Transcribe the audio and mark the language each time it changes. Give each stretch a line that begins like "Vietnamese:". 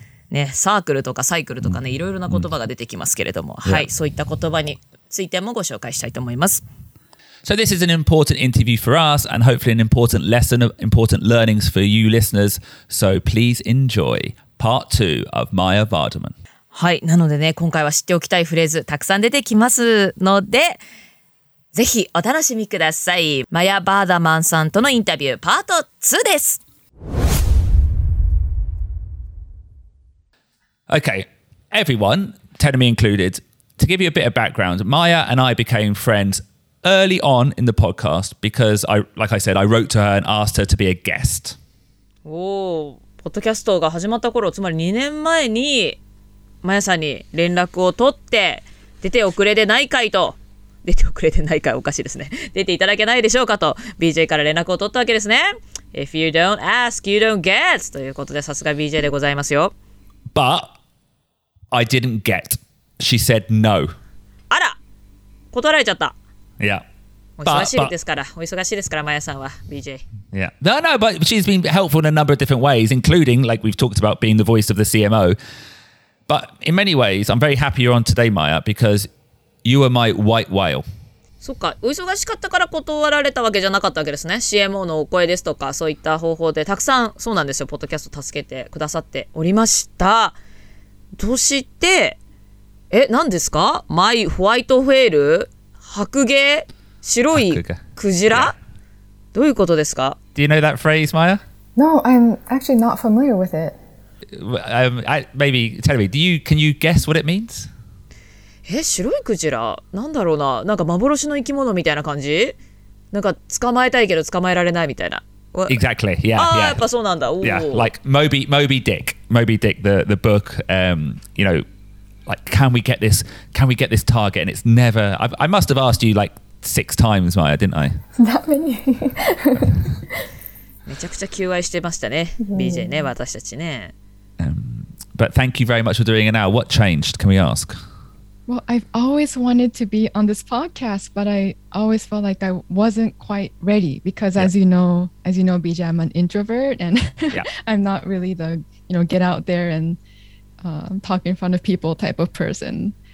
Japanese: ね、サークルとかサイクルとかね、いろいろな言葉が出てきますけれども、mm-hmm. はい、yeah. そういった言葉についてもご紹介したいと思います。
English: So this is an important interview for us, and hopefully an important lesson of important learnings for you listeners. So please enjoy part two of Maya Vardaman.
Japanese: はい、なのでね、今回は知っておきたいフレーズたくさん出てきますので、ぜひお楽しみください。マヤ・バーダマンさんとのインタビュー、パート2です。
English: Okay, everyone, Terumi included, to give you a bit of background, Maya and I became friends early on in the podcast because, I wrote to her and asked her to be a guest.
Japanese: Oh, ポッドキャストが始まった頃、つまり2年前に Maya さんに連絡を取って、出ておくれでないかいと、出ておくれでないかい、おかしいですね。出ていただけないでしょうかと、BJ から連絡を取ったわけですね。
English: If you don't ask, you don't get!
Japanese: ということで、さすが BJ でございますよ。
English: But I didn't get. She said no.
Japanese: あら、断られちゃった。
English: Yeah.
Japanese: お忙しいですから、お忙しいですから、マヤさんは、BJ。
English: Yeah. No, no, but she's been helpful in a number of different ways, including, like we've talked about, being the voice of the CMO. But in many ways, I'm very happy you're on today, Maya, because you are my white whale.
Japanese: そっか、お忙しかったから断られたわけじゃなかったわけですね。CMO のお声ですとか、そういった方法で、たくさん、そうなんですよ、ポッドキャスト助けてくださっておりました。そして、何ですか?マイ・ホワイト・フェール? 白毛?白いクジラ?どういうことですか?
English: Do you know that phrase, Maya? No, I'm actually not familiar with it. Maybe, tell me, can you guess what it means?
Japanese: え、白いクジラ? なんだろうな?なんか幻の生き物みたいな感じ?なんか捕まえたいけど捕まえられないみたいな。
English: What? Exactly. Yeah. Ah, yeah.
Japanese: やっぱそうなんだ。
English: Yeah. Like Moby Dick, the book, you know, like can we get this target? And it's never, I must have asked you like six times, Maya, didn't I? That many.
Japanese: めちゃくちゃ求愛してましたね、BJ ね、私たちね。
English: But thank you very much for doing it now. What changed, can we ask? Well, I've always wanted to be on this podcast, but I always felt like I wasn't quite ready because as you know, BJ, I'm an introvert and I'm not really the, you know, get out there and talk in front of people type of person.